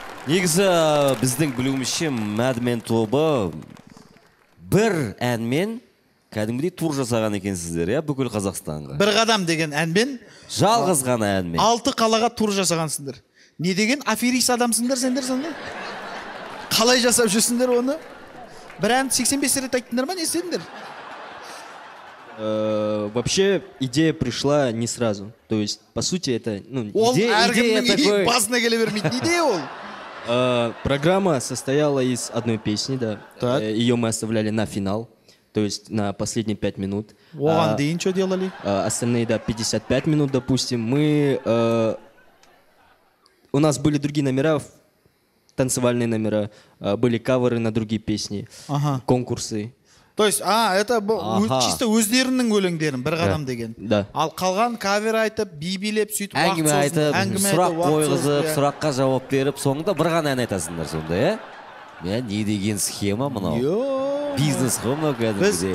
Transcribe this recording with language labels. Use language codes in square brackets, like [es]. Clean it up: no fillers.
[kk] Негізі біздің білуімізше Mad Men тобы бір әнмен кәдімгідей тур жасаған екенсіздер, бүкіл Қазақстанға. Бір қадам деген әнмен. Жалғыз ғана әнмен. Алты қалаға тур жасағансыңдар. Не деген аферист адамсыңдар сендер сонда? Қалай жасап жүрсіңдер оны? Бір ән 85 рет айттыңдар ма, не істедіңдер? [ru] Вообще идея пришла не сразу. То есть, по сути, это, ну, идея, [kk] ол әркімнің басына келе бермейтін идея ол. [ru] Программа состояла из одной песни, да. Так. Ее мы оставляли на финал, то есть на последние 5 минут. О, Андин, что делали? Остальные, да, 55 минут, допустим. Мы... у нас были другие номера, танцевальные номера, были каверы на другие песни, ага. Конкурсы. То есть, это ага. [kk] Чисто өздерінің өлеңдерін, бір қадам деген. [ru] Да. [kk] Ал қалған кавер айтып, би билеп, сөйтіп, әңгіме айтып, сұрақ қойғызып, сұраққа жауап беріп, соңында бір ғана ән айтасыңдар сонда, не деген схема мынау? Бизнес қой мынау кәдімгідей.